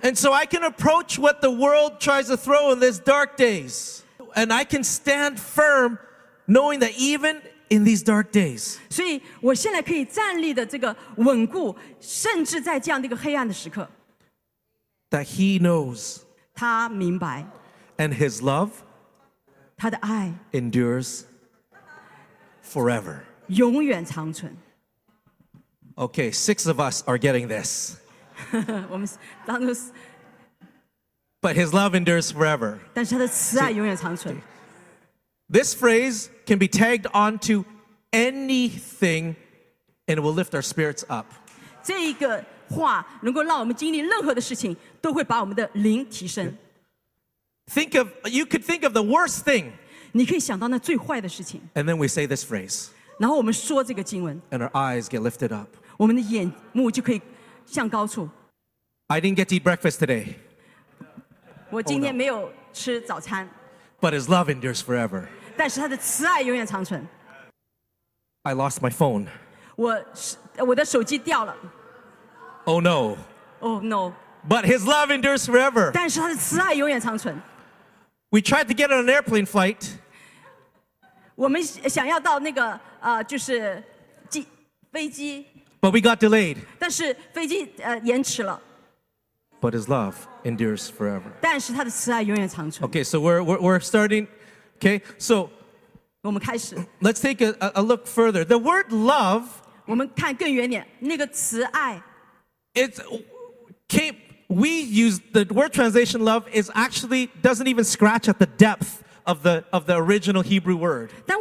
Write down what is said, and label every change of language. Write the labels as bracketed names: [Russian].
[English] And so I can approach what the world tries to throw in these dark days. And I can stand firm knowing that even in these dark days. [Chinese] 所以我现在可以站立的这个稳固, 甚至在这样的一个黑暗的时刻, [English] that he knows. [Chinese] 他明白。 [English] And his love [Chinese] 他的爱, [English] endures forever. [Chinese] 永远长存。 [English] Okay, six of us are getting this. [Chinese] 我们当中, [English] but his love endures forever. [Chinese] 但是他的慈爱永远长存。 [English] See, this phrase can be tagged onto anything and it will lift our spirits up. [Chinese] 这一个话能够让我们经历任何的事情都会把我们的灵提升。 [English] Okay. Think of, you could think of the worst thing. [Chinese] 你可以想到那最坏的事情。 [English] And then we say this phrase. [Chinese] 然后我们说这个经文。 [English] And our eyes get lifted up. [Chinese] 我们的眼目就可以向高处。 [English] I didn't get to eat breakfast today. [Chinese] 我今天没有吃早餐。 [English] Oh, no. But his love endures forever. [Chinese] 但是他的慈爱永远长存。 [English] I lost my phone. [Chinese] 我的手机掉了。 [English] Oh no. Oh no. But his love endures forever. [Chinese] 但是他的慈爱永远长存。 [English] We tried to get on an airplane flight. [Chinese] 我们想要到那个, 就是飞机, [English] but we got delayed. [Chinese] 但是飞机, 延迟了。 [English] But his love endures forever. [Chinese] 但是他的慈爱永远长存。 [English] Okay, so we're starting. Okay, so [Chinese] 我们开始。 [English] Let's take a look further. The word love, [Chinese] 我们看更远点, 那个慈爱, [English] it's came. We use the word translation love is actually doesn't even scratch at the depth of the original Hebrew word.